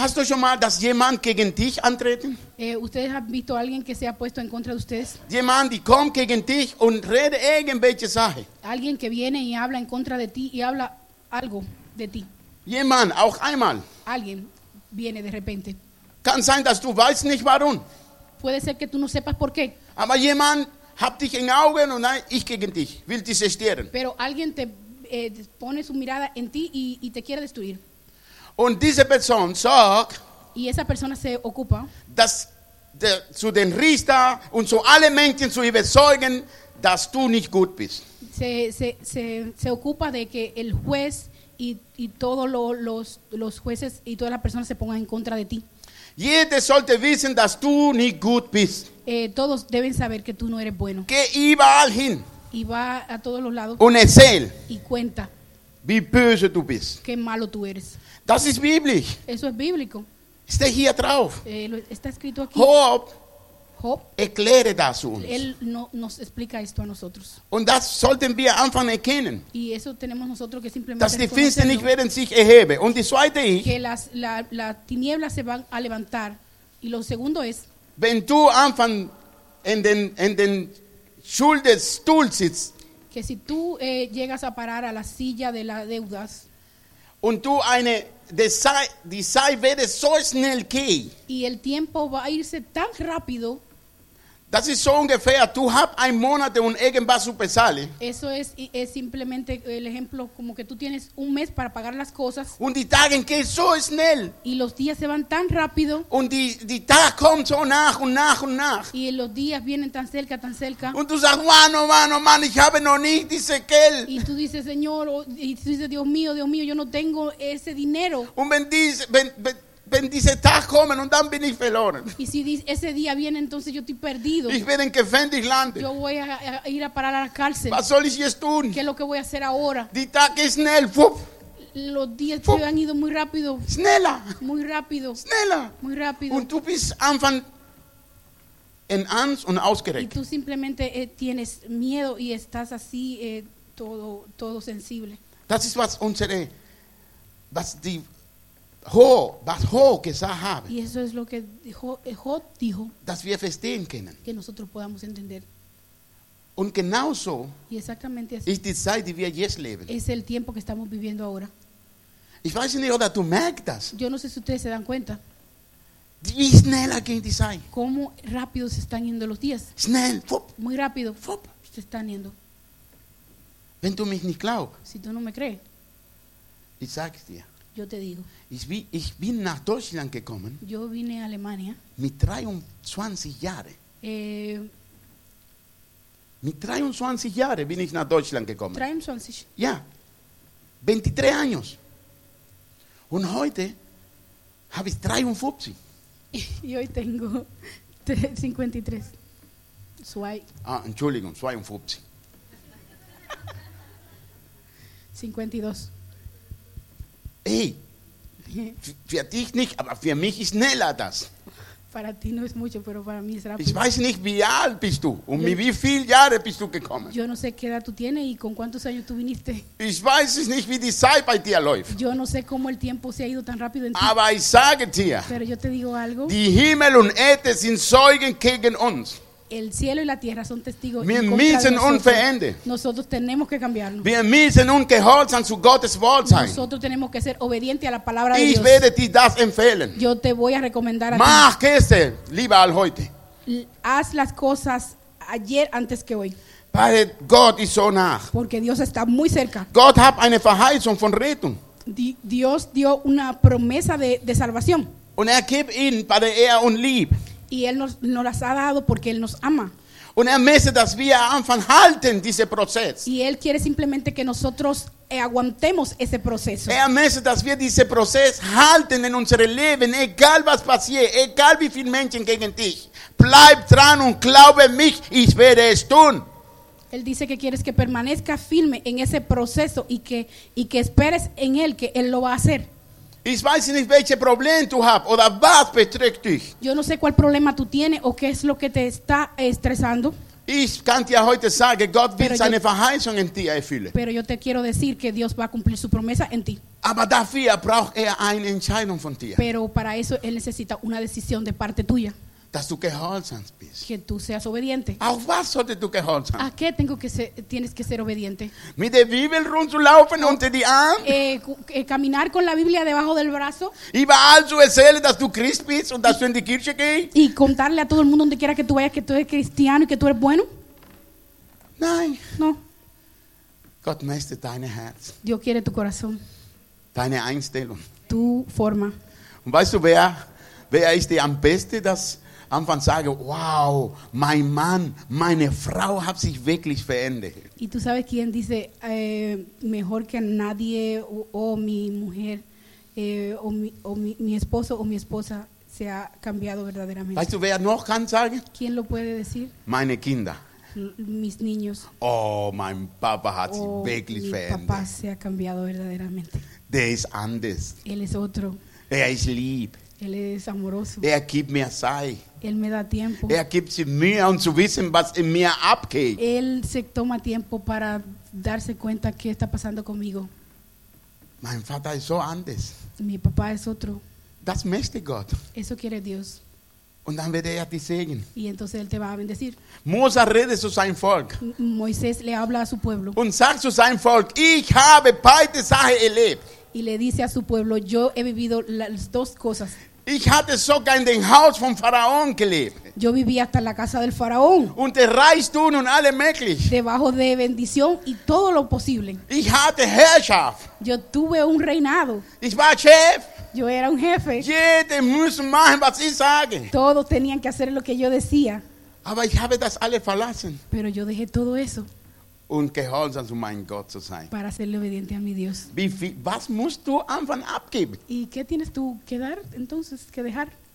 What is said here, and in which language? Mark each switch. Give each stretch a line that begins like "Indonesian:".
German: Hast du schon mal, dass jemand gegen dich antreten?
Spanish: Ustedes han visto alguien que se ha puesto en contra de ustedes?
German: Jemand, die kommt gegen dich und redet irgendwelche Sache.
Spanish: Alguien que viene y habla en contra de ti y habla algo de ti.
German: Jemand, auch einmal.
Spanish: Alguien viene de repente.
German: Kann sein, dass du weißt nicht warum.
Spanish: Puede ser que tú no sepas por qué.
German: Aber jemand hat dich in Augen und nein, ich gegen dich, will dich zerstören.
Spanish: Pero alguien te pone su mirada en ti y te quiere destruir.
German: Und diese Person sagt,
Spanish: y esa persona se ocupa,
German: dass zu den Richter und zu allen Menschen zu überzeugen, dass du nicht gut bist.
Spanish: Se ocupa de que el juez y todos los jueces y todas las personas se pongan en contra de ti.
German: Jeder sollte wissen, dass du nicht gut bist.
Spanish: Todos deben saber que tú no eres bueno. Que iba alguien. Iba a todos los lados.
German: Und erzähl,
Spanish: y cuenta.
German: Wie böse du bist.
Spanish: Qué malo tú eres.
German: Das ist biblisch.
Spanish: Eso es bíblico. Está
German: hier drauf.
Spanish: Está escrito aquí.
German: Job. Erkläre das uns.
Spanish: Él nos explica esto a nosotros.
German: Und das sollten wir anfangen erkennen.
Spanish: Y eso tenemos nosotros que simplemente.
German: Dass die Finsternis nicht werden sich erheben. Und die zweite ist.
Spanish: Que la tiniebla se van a levantar. Y lo segundo es.
German: Wenn du anfangen in den Schuldenstuhl sitzt.
Spanish: Que si tú llegas a parar a la silla de las deudas.
German: Und du eine die Zeit wird so schnell gehen.
Spanish: Y el tiempo va a irse tan rápido.
German: Das ist so ungefähr. Du hast ein Monat und irgendwas zu bezahlen.
Spanish: Eso es simplemente el ejemplo como que tú tienes un mes para pagar las cosas.
German: Und die Tage gehen so schnell.
Spanish: Y los días se van tan rápido.
German: Und die Tage kommen so nach und nach und nach.
Spanish: Y los días vienen tan cerca, tan cerca.
German: Und du sagst, mano, ich habe noch nicht diese Geld.
Spanish: Y tú dices, Señor, Dios mío, yo no tengo ese dinero.
German: Und wenn diese Tag kommen und dann bin ich verloren.
Spanish: Y si ese día viene, entonces yo estoy perdido.
German: Ich werde in Gefängnis landen.
Spanish: Yo voy a ir a parar a la cárcel.
German: Was soll ich jetzt tun?
Spanish: ¿Qué es lo que voy a hacer ahora?
German: Die Tag ist schnell. Fuf.
Spanish: Los días se han ido muy rápido.
German: Schneller.
Spanish: Muy rápido.
German: Schneller.
Spanish: Muy rápido.
German: Und du bist anfang in Angst und ausgeregt.
Spanish: Y tú simplemente tienes miedo y estás así todo sensible.
German: Das ist was unsere, was die Ho gesagt haben.
Spanish: Y eso es lo que Ho dijo.
German: Dass wir verstehen können.
Spanish: Que nosotros podamos entender.
German: Und genauso.
Spanish: Y exactamente así.
German: Ist die Zeit, die wir jetzt leben.
Spanish: Es el tiempo que estamos viviendo ahora.
German: Ich weiß nicht, ob du merkst das.
Spanish: Yo no sé si ustedes se dan cuenta.
German: Wie schnell gehen die Zeit.
Spanish: Cómo rápido se están yendo los días.
German: Schnell. Fup.
Spanish: Muy rápido. Fup. Se están yendo.
German: Wenn du mich nicht glaubst.
Spanish: Si tú no me crees.
German: Ich sag's dir.
Spanish: Yo te digo.
German: Ich bin nach Deutschland gekommen.
Spanish: Yo vine a Alemania.
German: Mit 23 Jahren. Mit 23 Jahren bin ich nach Deutschland gekommen. 23? Ja.
Spanish: 23 años.
German: Und heute habe ich 53.
Spanish: Y hoy tengo 53.
German: Entschuldigung, 52. 52. Hey, für dich nicht, aber für mich ist schneller das.
Spanish: Para ti no es mucho, pero para mí es rápido.
German: Ich weiß nicht, wie alt bist du und wie viele Jahre bist du gekommen.
Spanish: Yo no sé qué edad tú tienes y con cuántos años tú viniste.
German: Ich weiß nicht, wie die Zeit bei dir läuft.
Spanish: Yo no sé cómo el tiempo se ha ido tan rápido en ti.
German: Aber ich sage dir.
Spanish: Pero yo te digo algo.
German: Die Himmel und Erde sind Zeugen gegen uns.
Spanish: El cielo y la tierra son testigos.
German: Wir müssen unverändert.
Spanish: Nosotros tenemos que cambiarnos.
German: Wir müssen ungehorsam zu Gottes Wort sein.
Spanish: Nosotros tenemos que ser obedientes a la palabra de Dios.
German: Ich werde dir das empfehlen.
Spanish: Yo te voy a recomendar a ti.
German: Mach
Spanish: que este,
German: lieber al heute.
Spanish: Haz las cosas ayer antes que hoy.
German: Padre, Gott ist so nah.
Spanish: Porque Dios está muy cerca.
German: Gott hat eine Verheißung von Rettung.
Spanish: Dios dio una promesa de salvación.
German: Und er gibt ihn, Padre, er und lieb.
Spanish: Y Él nos las ha dado porque Él nos ama.
German: Und er möchte, dass wir anfangen halten diesen Prozess.
Spanish: Y Él quiere simplemente que nosotros aguantemos ese proceso.
German: Er möchte, dass wir diesen Prozess halten in unserem Leben, egal was passiert, egal wie viele Menschen gegen dich. Bleib dran und glaube mich, ich werde es tun.
Spanish: Él dice que quieres que permanezca firme en ese proceso y que esperes en Él, que Él lo va a hacer.
German: Ich weiß nicht, welche Problem du hast oder was beträgt dich.
Spanish: Yo no sé cuál problema tú tienes o qué es lo que te está estresando.
German: Ich kann dir heute sagen, Gott wird seine Verheißung in dir erfüllen.
Spanish: Pero yo te quiero decir que Dios va a cumplir su promesa en ti.
German: Aber dafür braucht er eine Entscheidung von dir.
Spanish: Pero para eso Él necesita una decisión de parte tuya.
German: Dass du gehorsam bist.
Spanish: Que tú seas obediente.
German: Auf was sollte du gehorsam?
Spanish: ¿A qué tienes que ser obediente?
German: Mit der Bibel rumzulaufen unter die Arm.
Spanish: Caminar con la Biblia debajo del brazo.
German: Y überall zu erzählen, dass du Christ bist und dass du in die Kirche gehst.
Spanish: Y contarle a todo el mundo donde quiera que tú vayas que tú eres cristiano y que tú eres bueno.
German: Nein.
Spanish: No.
German: Gott möchte dein Herz.
Spanish: Dios quiere tu corazón.
German: Deine Einstellung.
Spanish: Tu forma.
German: Und weißt du, wer ist dir am besten, dass Anfang sage, wow, mein Mann, meine Frau hat sich wirklich verändert.
Spanish: Y tú sabes quién dice mejor que nadie o mi mujer o mi esposo o mi esposa se ha cambiado verdaderamente.
German: Weißt du, wer noch kann sagen?
Spanish: ¿Quién lo puede decir?
German: Meine Kinder.
Spanish: Mis niños.
German: Oh, mein Papa hat sich wirklich verändert.
Spanish: Mi papá se ha cambiado verdaderamente.
German: Der ist anders.
Spanish: Él es otro.
German: Er ist lieb.
Spanish: Él es amoroso.
German: Er gibt mir Zeit.
Spanish: Él me da tiempo.
German: Er gibt sich Mühe, um zu wissen, was in mir abgeht.
Spanish: Él se toma tiempo para darse cuenta qué está pasando conmigo.
German: Mein Vater ist so anders.
Spanish: Mi papá es otro.
German: Das möchte Gott.
Spanish: Eso quiere Dios.
German: Und dann wird er dich segnen.
Spanish: Y entonces Él te va a bendecir.
German: Moses redet zu seinem Volk.
Spanish: Moisés le habla a su pueblo.
German: Und sagt zu seinem Volk, ich habe beide Sachen erlebt.
Spanish: Y le dice a su pueblo, yo he vivido las dos cosas.
German: Ich hatte sogar in dem Haus vom Pharaon gelebt.
Spanish: Yo viví hasta la casa del faraón.
German: Unter Reichtum und alle möglich.
Spanish: Debajo de bendición y todo lo posible.
German: Ich hatte Herrschaft.
Spanish: Yo tuve un reinado.
German: Ich war Chef.
Spanish: Yo era un jefe.
German: Jede muss machen, was ich sage.
Spanish: Todos tenían que hacer lo que yo decía.
German: Aber ich habe das alles verlassen.
Spanish: Pero yo dejé todo eso.
German: Und gehorsam zu meinem Gott zu sein.
Spanish: Para serle obediente a mi Dios.
German: Was musst du anfangen abgeben?
Spanish: ¿Y qué tienes tú que dar entonces, que dejar?